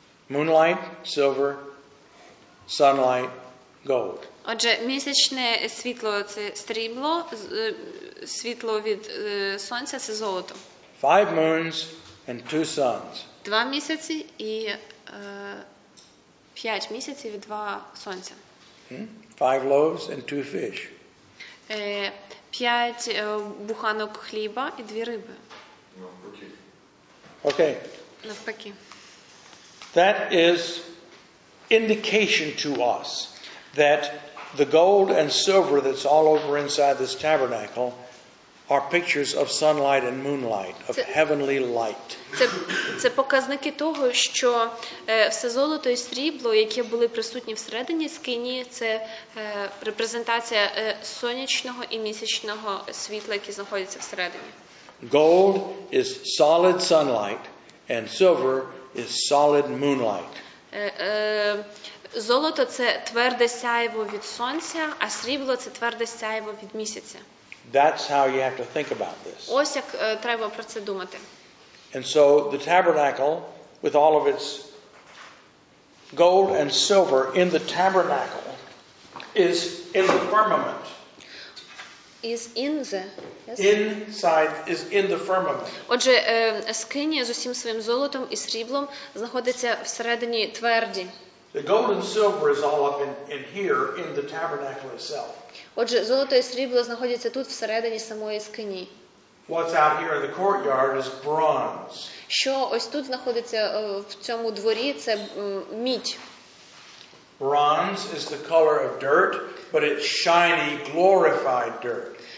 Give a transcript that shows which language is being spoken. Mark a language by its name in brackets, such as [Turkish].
[English] Moonlight, silver, sunlight, gold. [Ukrainian] Отже, місячне світло – це срібло, світло від сонця – це золото. [English] Five moons and two suns. [Ukrainian] Два місяці і п'ять місяців і два сонця. [English] Five loaves and two fish. [Ukrainian] П'ять буханок хліба і дві риби. [English] Okay. [Ukrainian] Навпаки. [English] That is indication to us that the gold and silver that's all over inside this tabernacle are pictures of sunlight and moonlight, of heavenly light. [Ukrainian] Це показники того, що все золото і срібло, які були присутні всередині скинії, це репрезентація сонячного і місячного світла, які знаходяться всередині. [English] Gold is solid sunlight and silver is solid moonlight. [Ukrainian] Золото це тверде сяйво від сонця, а срібло це тверде сяйво від місяця. [English] That's how you have to think about this. [Ukrainian] Ось як треба про це думати. [English] And so the tabernacle with all of its gold and silver in the tabernacle is in the firmament. Is in the yes. Inside is in the firmament. [Ukrainian] Отже, скинія з усім своїм золотом і сріблом знаходиться всередині тверді. [English] The gold and silver is all up in here in the tabernacle itself. [Ukrainian] Отже, золото і срібло знаходяться тут всередині самої скинії. [English] What's out here in the courtyard is bronze. [Ukrainian] Що ось тут знаходиться в цьому дворі це мідь. [English] Bronze is the color of dirt, but it's shiny, glorified dirt.